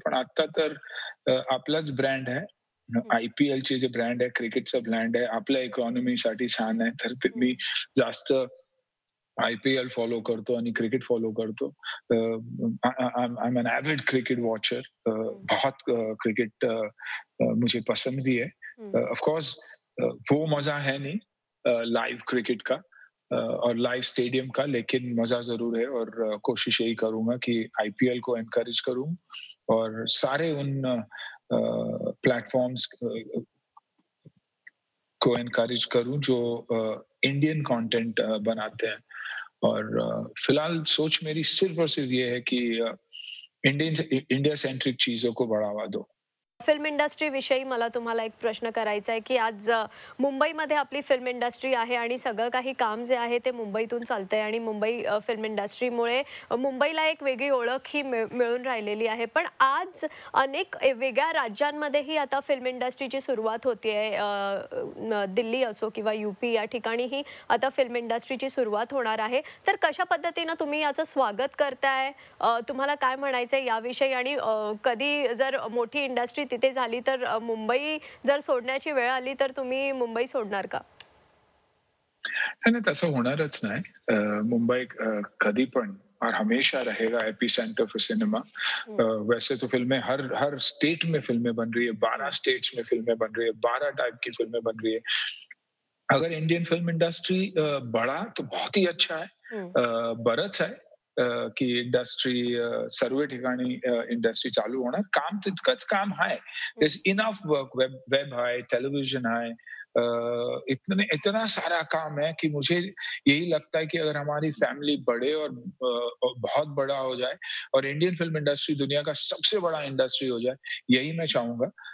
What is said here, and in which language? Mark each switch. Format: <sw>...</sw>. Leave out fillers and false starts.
<mr>पण आता तर आपलाच ब्रँड आहे, आयपीएलचे जे ब्रँड आहे, क्रिकेटचा ब्रँड आहे, आपल्या इकॉनॉमीसाठी छान आहे, तर मी जास्त IPL फॉलो करतो आणि क्रिकेट फॉलो करतो.</mr> <en>I am an avid cricket watcher,</en> <hi>बहुत क्रिकेट मुझे पसंद भी है. ऑफकोर्स वो मजा है नहीं लाइव क्रिकेट का और लाइव स्टेडियम का, लेकिन मजा जरूर है और कोशिश यही करूंगा कि IPL को एनकरेज करूं और सारे उन प्लेटफॉर्म्स को एनकरेज करूं जो इंडियन कंटेंट बनाते हैं. और फिलहाल सोच मेरी सिर्फ और सिर्फ ये है कि इंडिया सेंट्रिक चीजों को बढ़ावा दो.</hi> <mr>फिल्म इंडस्ट्री विषयी मला तुम्हाला एक प्रश्न करायचा आहे की आज मुंबईमध्ये आपली फिल्म इंडस्ट्री आहे आणि सगळं काही काम जे आहे ते मुंबईतून चालतं आहे आणि मुंबई फिल्म इंडस्ट्रीमुळे मुंबईला एक वेगळी ओळख ही मिळून राहिलेली आहे, पण आज अनेक वेगळ्या राज्यांमध्येही आता फिल्म इंडस्ट्रीची सुरुवात होती आहे. दिल्ली असो किंवा UP, या ठिकाणीही आता फिल्म इंडस्ट्रीची सुरुवात होणार आहे, तर कशा पद्धतीनं तुम्ही याचं स्वागत करताय, तुम्हाला काय म्हणायचं आहे याविषयी, आणि कधी जर मोठी इंडस्ट्री तिथे झाली तर मुंबई जर सोडण्याची वेळ आली तर तुम्ही मुंबई सोडणार का? तसं होणारच नाही, मुंबई कधी पण</mr> <hi>और हमेशा रहेगा</hi> <en>Epicentre for cinema.</en> <hi>वैसे तो फिल्में हर स्टेट में फिल्में बन रही है, 12 स्टेट्स में फिल्में बन रही है, 12 टाइप की फिल्में बन रही है. अगर इंडियन फिल्म इंडस्ट्री बढ़ा तो बहुत ही अच्छा है,</hi> <mr>बरच है कि इंडस्ट्री सर्व ठिकाणी इंडस्ट्री चालू होणार. काम तितकंच काम आहे,</mr> <en>enough work,</en> <mr>वेब आहे, टेलिव्हिजन आहे,</mr> <hi>इतना सारा काम है कि मुझे यही लगता है कि अगर हमारी फैमिली बड़े और बहुत बड़ा हो जाए और इंडियन फिल्म इंडस्ट्री दुनिया का सबसे बड़ा इंडस्ट्री हो जाए, यही मैं चाहूंगा।</hi>